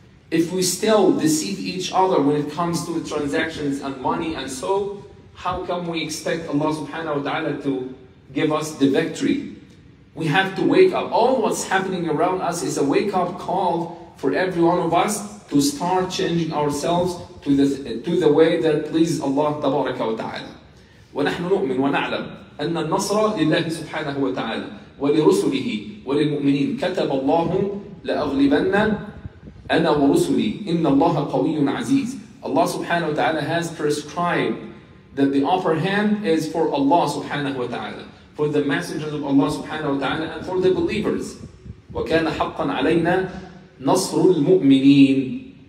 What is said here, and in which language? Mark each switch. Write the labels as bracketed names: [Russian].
[English] If we still deceive each other when it comes to transactions and money and so, how come we expect Allah subhanahu wa ta'ala to give us the victory? We have to wake up. All what's happening around us is a wake-up call for every one of us to start changing ourselves to the way that pleases Allah tabaraka wa ta'ala. [Arabic] ونحن نؤمن ونعلم أن النصر لله سبحانه وتعالى ولرسله وللمؤمنين. كتب الله لأغلبن أنا ورسلي إن الله قوي عزيز. [English] Allah subhanahu wa ta'ala has prescribed that the upper hand is for Allah subhanahu wa ta'ala, for the messengers of Allah subhanahu wa ta'ala, and for the believers. [Arabic] وكان حقا علينا نصر المؤمنين.